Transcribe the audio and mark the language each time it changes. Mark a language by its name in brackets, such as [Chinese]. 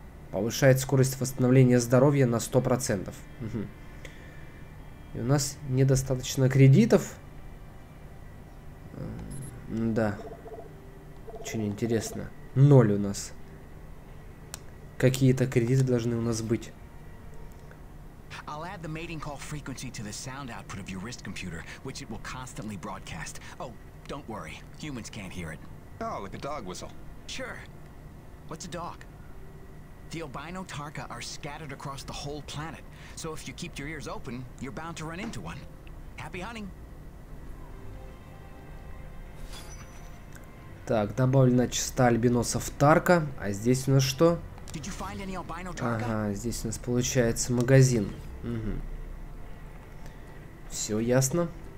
[Russian] Повышает скорость восстановления здоровья на 100%. Угу. И у нас недостаточно кредитов. Да. Очень интересно. Ноль у нас. Какие-то кредиты должны у нас быть. [English] I'll add the mating call frequency to the sound output of your wrist computer, which it will constantly broadcast. Oh, don't worry. Humans can't hear it. Oh, like a dog whistle. Sure. What's a dog? The albino Tarka are scattered across the whole planet. So if you keep your ears open, you're bound to run into one. Happy hunting. [Russian] Так, добавлена частота альбиносов Тарка. А здесь у нас что? [English] Did you find any albino Tarka? [Russian] Ага, здесь у нас получается магазин. Угу. Все ясно.